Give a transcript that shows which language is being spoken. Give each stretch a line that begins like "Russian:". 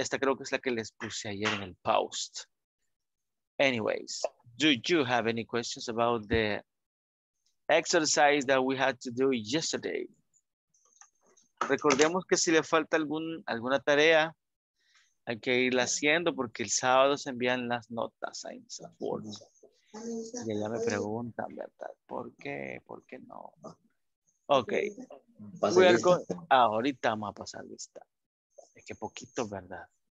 Spanish: Esta creo que es la que les puse ayer en el post.
English: Anyways, do you have any questions about the exercise that we had to do yesterday?
Spanish: Recordemos que si le falta alguna tarea, Hay que irla haciendo porque el sábado se envían las notas a INSAFORP. Y ella me pregunta, ¿verdad? ¿Por qué? ¿Por qué no? Ok. Ahorita vamos a pasar lista. Es que poquito, ¿verdad?